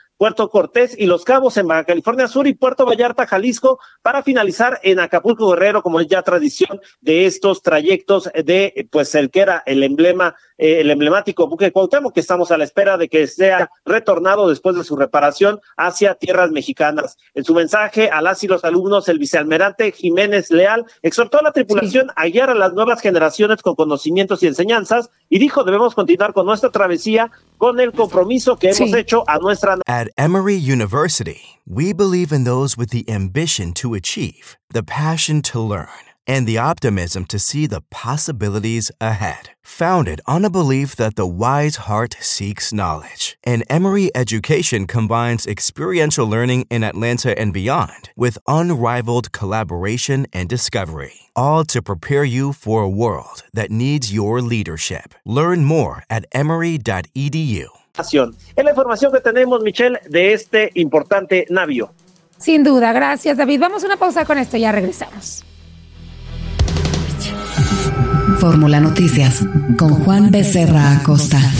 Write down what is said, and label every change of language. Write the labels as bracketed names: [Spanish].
[Spanish] Puerto Cortés y Los Cabos en Baja California Sur y Puerto Vallarta, Jalisco, para finalizar en Acapulco, Guerrero, como es ya tradición de estos trayectos de, pues, el que era el emblema, el emblemático buque Cuauhtémoc, que estamos a la espera de que sea retornado después de su reparación hacia tierras mexicanas. En su mensaje a las y los alumnos, el vicealmirante Jiménez Leal exhortó a la tripulación a guiar a las nuevas generaciones con conocimientos y enseñanzas y dijo: debemos continuar con nuestra travesía con el compromiso que hemos hecho a nuestra. [English] At Emory University, we believe in those with the ambition to achieve, the passion to learn, and the optimism to see the possibilities ahead. Founded on a belief that the wise heart seeks knowledge, an Emory education combines experiential learning in Atlanta and beyond with unrivaled collaboration and discovery, all to prepare you for a world that needs your leadership. Learn more at emory.edu. [Spanish] Es la información que tenemos, Michelle, de este importante navío. Sin duda, gracias, David. Vamos a una pausa con esto, ya regresamos. Fórmula Noticias con Juan Becerra Acosta.